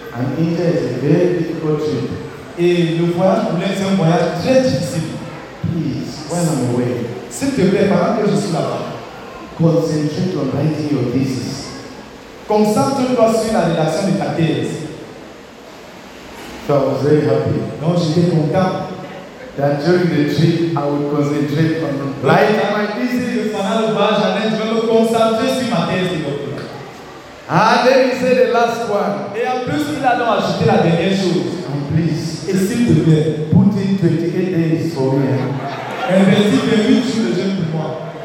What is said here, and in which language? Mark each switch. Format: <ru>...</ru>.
<en>And India is a very difficult trip.</en> <fr>Et le voyage pour l'Inde, c'est un voyage très difficile.</fr> <en>Please, when I'm away,</en> <fr>s'il te plaît, pendant que je suis là-bas,</fr> <en>concentrate on writing your thesis.</en> <fr>Concentre-toi sur la rédaction de ta thèse.</fr> <en>So I was very happy.</en> <fr>Non, j'étais content.</fr> <en>That during the trip, I would concentrate on writing my thesis.</en> <fr>Pendant le voyage à l'Inde, je vais me concentrer sur ma thèse.</fr> <en>Ah, then he said the last one.</en> <fr>Et en plus, il a donc ajouté la dernière chose.</fr> <en>And please,</en> <fr>et s'il te plaît,</fr> <en>put in 28 days for me.</en> <fr>Investis 28 jours de jeûne pour moi.</fr>